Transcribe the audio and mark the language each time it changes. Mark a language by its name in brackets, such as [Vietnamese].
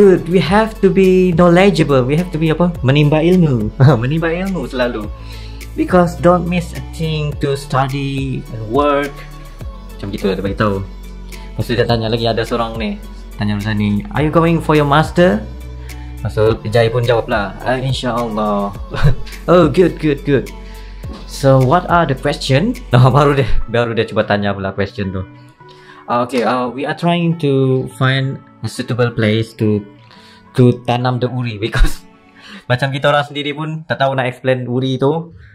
[English] We have to be knowledgeable. We have to be [Malay] apa? Menimba ilmu. Menimba ilmu selalu. [English] Because don't miss a thing to study and work. [Malay] Macam gitu lah, dia beritahu. Lepas tu dia tanya lagi, ada seorang ni. Tanya Ruzan ni, [English] are you going for your master? So [Malay] Jai pun jawab lah, [English] InsyaAllah. Oh, good. So what are the question? [Malay] Nah, baru dia cuba tanya pula question tu. [English] Okay, we are trying to find a suitable place to [Malay] tanam the uri, because macam kita orang sendiri pun tak tahu nak explain uri tu.